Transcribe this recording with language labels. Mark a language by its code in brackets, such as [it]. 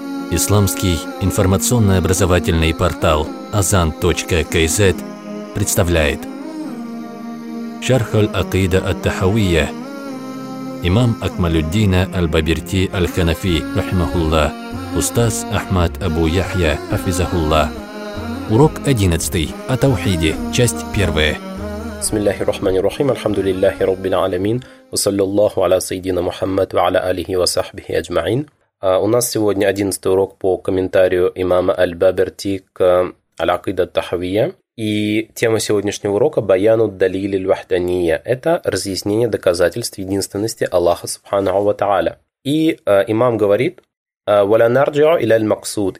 [ru] Исламский информационно-образовательный портал azan.kz представляет Шархаль Акида ат-Тахавия. Имам Акмалюддина аль-Бабирти аль-Ханафи рахимахулла. Устаз Ахмад Абу Яхья хафизахулла. Урок 11. О таухиде. Часть 1. [ar] بسم الله الرحمن الرحيم الحمد لله رب العالمين وصلى الله على سيدنا محمد وعلى آله وصحبه أجمعين. [ru] У нас сегодня 11 урок по комментарию имама Аль-Баберти к Аль-Акида ат-Тахавия. И тема сегодняшнего урока – Баяну ад-Далили аль-Вахдания. Это разъяснение доказательств единственности Аллаха Субханаху ва Тааля. И имам говорит [ar] «Валя нарджио иля аль-Максуд».